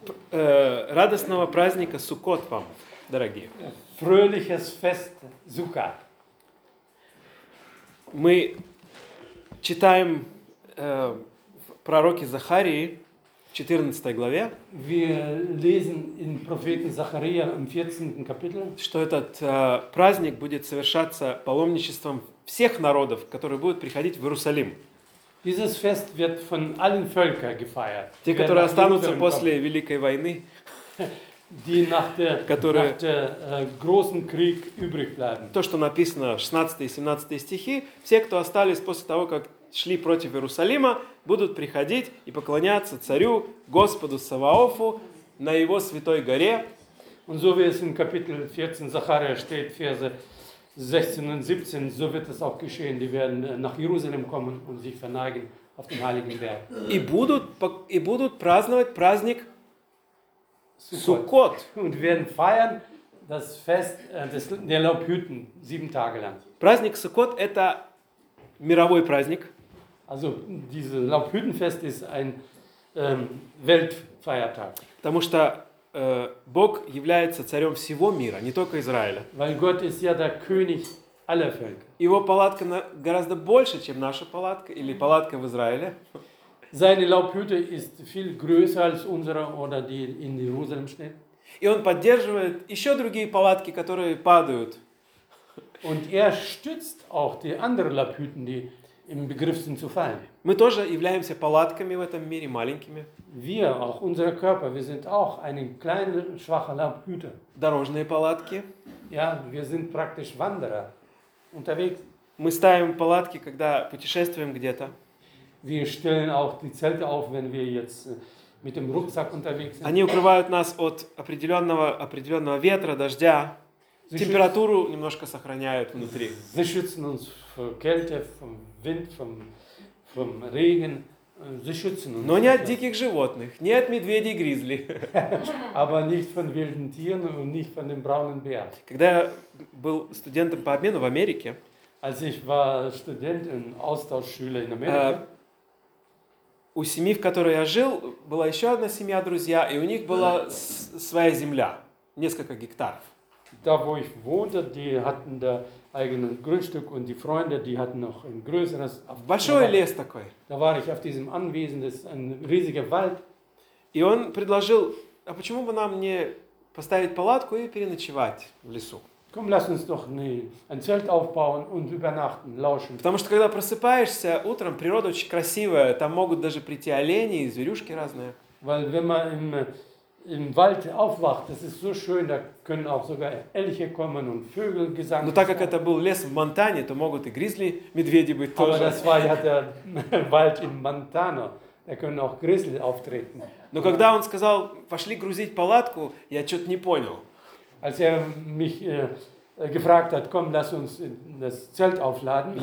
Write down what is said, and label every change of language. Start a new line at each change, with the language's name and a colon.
Russian: Радостного праздника Суккот вам, дорогие.
German: Fröhliches Fest Sukkot.
Russian: Мы читаем пророки Захарии в 14 главе.
German: Wir lesen in Propheten Zacharia im 14. Kapitel,
Russian: что этот праздник будет совершаться паломничеством всех народов, которые будут приходить в Иерусалим.
German: Dieses Fest wird von allen Völkern gefeiert.
Russian: Те, которые останутся после Великой войны,
German: die nach der,
Russian: которые,
German: nach der großen Krieg übrig bleiben.
Russian: То, что написано 16 и 17 стихи, все, кто остались после того, как шли против Иерусалима, будут приходить и поклоняться царю, Господу Саваофу, на его святой горе.
German: Und so wie es in Kapitel 14 Zacharia steht, Verse 16 und 17, so wird es auch geschehen. Die werden nach Jerusalem kommen und sich verneigen auf dem heiligen Berg.
Russian: И будут праздновать праздник Суккот.
German: Und werden feiern das Fest des der Laubhütten sieben Tage lang.
Russian: Праздник Суккот – это мировой праздник.
German: Also dieses Laubhüttenfest ist ein Weltfeiertag.
Russian: Потому что Бог является царем всего мира, не только Израиля.
German: Weil Gott ist ja der König aller Völker.
Russian: Его палатка гораздо больше, чем наша палатка или палатка в Израиле.
German: Seine Laubhütte ist viel größer als unsere oder die in Jerusalem steht.
Russian: И он поддерживает еще другие палатки, которые падают.
German: Und stützt auch die anderen Laubhütten, die im Begriff sind zu fallen.
Russian: Мы тоже являемся палатками в этом мире маленькими.
German: Wir auch unser Körper, wir sind auch eine kleine schwache Laubhütte.
Russian: Дорожные палатки.
German: Ja, wir sind praktisch Wanderer unterwegs.
Russian: Мы ставим палатки, когда путешествуем где-то.
German: Wir stellen auch die Zelte auf, wenn wir jetzt mit dem Rucksack unterwegs sind.
Russian: Они укрывают нас от определенного ветра, дождя. Температуру немножко сохраняют внутри.
German: Sie schützen uns vor Kälte, vom Wind, vom Regen. Sie schützen uns.
Russian: Но не от диких животных, не от медведей и гризли.
German: Aber nicht von wilden Tieren und nicht von dem braunen Bären.
Russian: Когда я был студентом по обмену в Америке,
German: als ich war Student in Austauschschüler in Amerika,
Russian: у семьи, в которой я жил, была еще одна семья, друзья, и у них была своя земля, несколько гектаров.
German: Da, wo ich wohnte, die hatten da eigenen Grundstück und die Freunde, die hatten noch ein größeres.
Russian: Большой лес такой.
German: Da war ich auf diesem Anwesen, das ist ein riesiger Wald.
Russian: И он предложил, а почему бы нам не поставить палатку и переночевать в лесу?
German: Komm, lass uns doch ein Zelt aufbauen und übernachten, lauschen.
Russian: Потому что когда просыпаешься утром, природа очень красивая, там могут даже прийти олени и зверюшки разные.
German: Weil wenn man im Wald aufwacht, das ist so schön, da können auch sogar Elche kommen und Vögel gesang.
Russian: Но так как это был лес в Монтане, то могут и гризли, медведи быть тоже.
German: Aber das war ja der Wald in Montana. Da können auch Grizzly auftreten.
Russian: Но когда он сказал, пошли грузить палатку, я что-то не понял.
German: Als mich gefragt hat, komm, lass uns das Zelt aufladen.